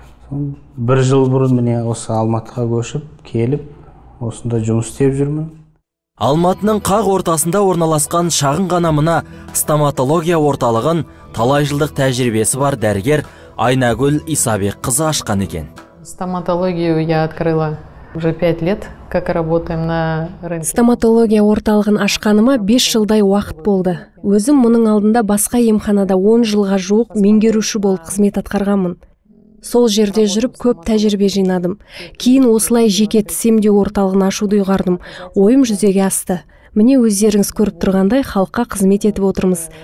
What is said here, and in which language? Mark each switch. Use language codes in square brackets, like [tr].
[kk] Бір жыл бұрын міне осы Алматыға көшіп, келіп, осында жұмыс істеп жүрмін. Алматының қақ ортасында орналасқан шағын ғана мына стоматология орталығын талай жылдық тәжірибесі бар дәрігер Айнагүл Исабекқызы ашқан екен. [ru] Стоматологию я открыла уже 5 лет, как работаем на рынке. [kk] Стоматология орталығын ашқаныма 5 жылдай уақыт болды. Өзім мұның алдында басқа емханада 10 жылға жуық меңгеруші болып қызмет атқарғанмын. Сол жерде жүріп көп тәжірибе жинадым. Кейін осылай жеке тіс емдеу орталығын ашуды ұйғардым. Ойым жүзеге асты. Міне өздеріңіз көріп тұрғандай халыққа қызмет етіп отырмыз.